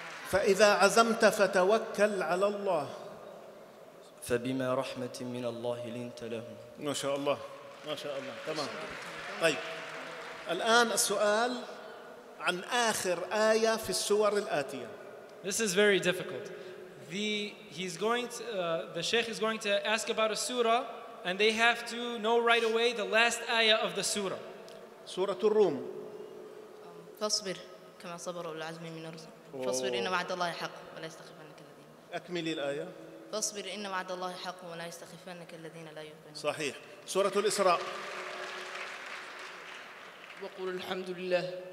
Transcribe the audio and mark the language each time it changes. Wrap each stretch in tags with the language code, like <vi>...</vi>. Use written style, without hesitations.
<ar>فإذا عزمت فتوكل على الله. فبما رحمة من الله لنت لهم. ما شاء الله ما شاء الله. تمام. طيب الآن السؤال عن آخر آية في السور الآتية.</ar> <en>This is very difficult. The Sheikh is going to ask about a surah, and they have to know right away the last ayah of the surah. Surah Ar-Rum.</en> <ar>فاصبر كما صبر أولو العزم من الرسل. فاصبر إن وعد الله حق ولا يستخفنك الذين. أكملي الآية. فاصبر إن وعد الله حق ولا يستخفنك الذين لا يؤمنون. صحيح. سورة الإسراء. وقل الحمد لله.</ar>